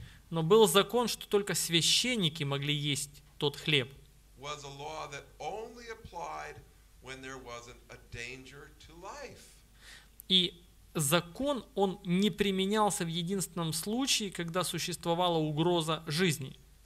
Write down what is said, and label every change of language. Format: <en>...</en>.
<ru>Но был закон, что только священники могли есть тот хлеб.</ru> <en>Was a law that only applied when there wasn't a danger to life.</en> <ru>И закон, он не применялся в единственном случае, когда существовала угроза жизни.</ru>